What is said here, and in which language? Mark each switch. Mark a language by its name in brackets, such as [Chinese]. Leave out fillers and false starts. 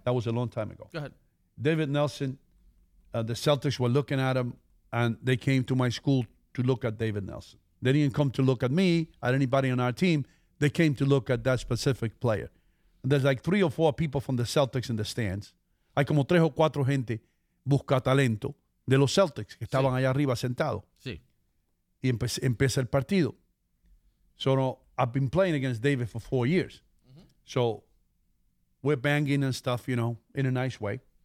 [English] That was a long time ago. Go ahead. David Nelson, the Celtics were looking at him. And they came to my school to look at David Nelson. They didn't come to look at me, at anybody on our team. They came to look at that specific player. And there's like three or four people from the Celtics in the stands. [Spanish] Hay como tres o cuatro gente busca talento de los Celtics que estaban allá arriba sentados. Sí. Y empieza el partido. [English] So no, I've been playing against David for 4 years. Mm-hmm. So we're banging and stuff, you know, in a nice way.